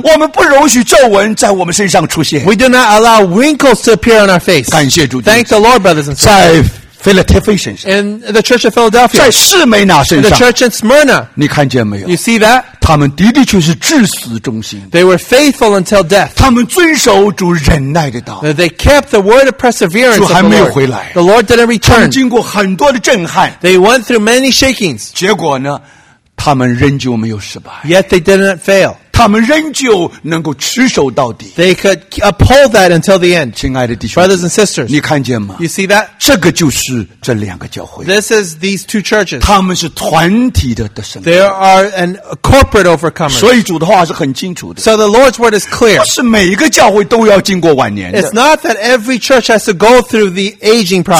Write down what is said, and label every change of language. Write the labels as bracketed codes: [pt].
[zh] 我们不容许皱纹在我们身上出现 [en] We do not allow wrinkles to appear on our face. [zh] 感谢主 [en] Thank the Lord, brothers and sisters. [zh] 在腓立特腓身上 [en] In the church of Philadelphia. [zh] 在士美拿身上 [en] The church in Smyrna. [zh] 你看见没有 [en] You see that? [zh] 他们的的确是至死忠心 [en] They were faithful until death. [zh] 他们遵守主忍耐的道 [en] They kept the word of perseverance [zh] 主还没有回来 [en] The Lord didn't return. [zh] 他们经过很多的震撼 [en] They went through many shakings. [zh] 结果呢他们仍旧没有失败 [en] Yet they didn't fail. [zh] 他们仍旧能够持守到底 [en] They could uphold that until the end. [zh] 亲爱的弟兄 [en] Brothers and sisters. [zh] 你看见吗 [en] You see that? [zh] 这个就是这两个教会 [en] This is these two churches. [zh] 他们是团体的得胜 [en] They are a corporate overcomer. [zh] 所以主的话是很清楚的 [en] So the Lord's word is clear. [zh] 不是每一个教会都要经过晚年的 [en] It's not that every church has to go through the aging process.